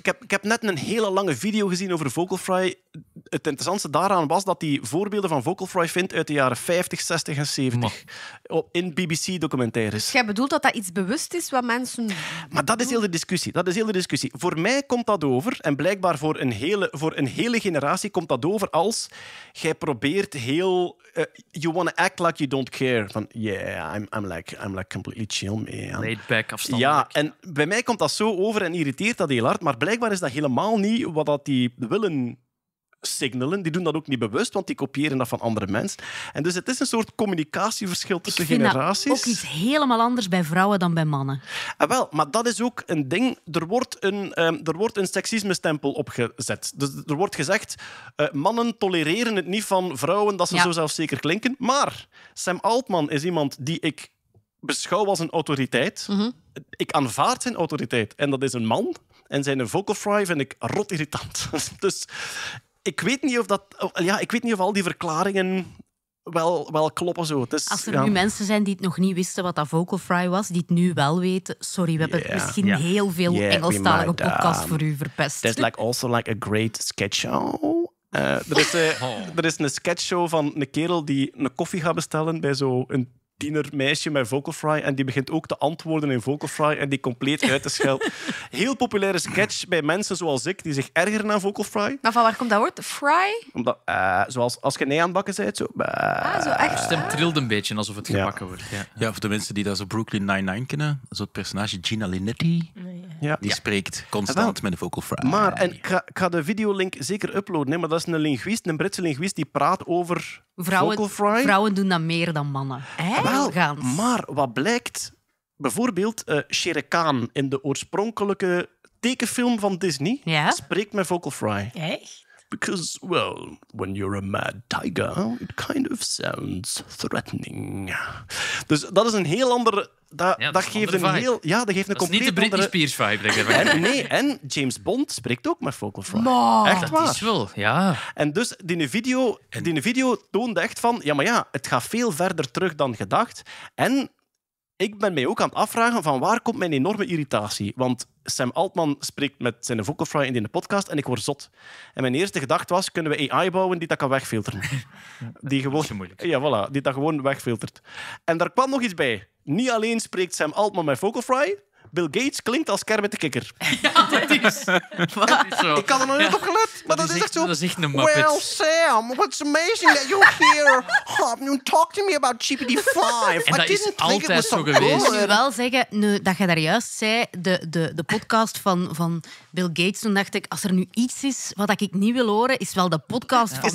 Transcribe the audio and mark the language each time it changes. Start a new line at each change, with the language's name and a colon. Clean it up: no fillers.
Dutch: Ik heb net een hele lange video gezien over Vocal Fry. Het interessantste daaraan was dat hij voorbeelden van Vocal Fry vindt uit de jaren 50, 60 en 70. Maar. In BBC-documentaires. Jij bedoelt dat dat iets bewust is wat mensen... Maar dat is heel de discussie. Dat is heel de discussie. Voor mij komt dat over, en blijkbaar voor een hele generatie komt dat over als... Jij probeert heel...
English: you want to act like you don't care. Van, yeah, I'm like completely chill, man. Laid back,
Dutch: afstand. Ja, en bij mij komt dat zo over en irriteert dat heel hard. Maar blijkbaar is dat helemaal niet wat dat die willen signalen. Die doen dat ook niet bewust, want die kopiëren dat van andere mensen. En dus het is een soort communicatieverschil tussen generaties. Ik vind dat ook iets helemaal anders bij vrouwen dan bij mannen. Wel, maar dat is ook een ding. Er wordt een seksisme-stempel opgezet. Dus er wordt gezegd, mannen tolereren het niet van vrouwen dat ze zo zelfzeker klinken. Maar Sam Altman is iemand die ik beschouw als een autoriteit. Mm-hmm. Ik aanvaard zijn autoriteit. En dat is een man. En zijn Vocal Fry vind ik rot irritant. Dus... Ik weet niet of al die verklaringen wel kloppen. Zo. Het is, als er nu mensen zijn die het nog niet wisten wat dat Vocal Fry was, die het nu wel weten, sorry, we hebben misschien heel veel Engelstalige podcast voor u verpest.
English: There's like also like a great sketch show.
Dutch: Er is een sketch show van een kerel die een koffie gaat bestellen bij zo'n tienermeisje met Vocal Fry en die begint ook te antwoorden in Vocal Fry en die compleet uit te schelden. Heel populaire sketch bij mensen zoals ik, die zich ergeren aan Vocal Fry. Maar van waar komt dat woord? Fry? Omdat, zoals als je nee aan het bakken bent. Zo. Zo echt. De stem trilde een beetje alsof het gebakken wordt. Ja, voor de mensen die dat zo Brooklyn Nine-Nine kennen, zo'n personage Gina Linetti, die spreekt constant met de Vocal Fry. Maar, en ik ga de videolink zeker uploaden, maar dat is een linguist, een Britse linguist, die praat over Vocal Fry. Vrouwen doen dat meer dan mannen. Echt? Maar wat blijkt, bijvoorbeeld Shere Khan in de oorspronkelijke tekenfilm van Disney spreekt met Vocal Fry. Echt?
English: Because, well, when you're a mad tiger, it kind of sounds threatening.
Dutch: Dus dat is een heel andere... Dat geeft een compleet Dat is niet de Britney Spears vibe, denk ik. En James Bond spreekt ook met Vocal Fry. Echt waar. Dat is wel, ja. En dus, die video toonde echt van... Ja, maar ja, het gaat veel verder terug dan gedacht. En ik ben mij ook aan het afvragen van waar komt mijn enorme irritatie? Want Sam Altman spreekt met zijn Vocal Fry in de podcast en ik word zot. En mijn eerste gedachte was, kunnen we AI bouwen die dat kan wegfilteren? Die gewoon... Dat is moeilijk. Ja, voilà. Die dat gewoon wegfiltert. En daar kwam nog iets bij. Niet alleen spreekt Sam Altman met Vocal Fry, Bill Gates klinkt als Kermit de Kikker. Ja, dat is zo. Ik had er nog niet op gelet, maar dat is echt zo. Dat is echt een Muppet.
English: Well, Sam, what's amazing that you're here. Have you talked to me about GPT-5?
Dutch: En dat is altijd zo geweest. Ik moet wel zeggen, nu, dat je daar juist zei, de podcast van Bill Gates, toen dacht ik, als er nu iets is wat ik niet wil horen, is wel de podcast van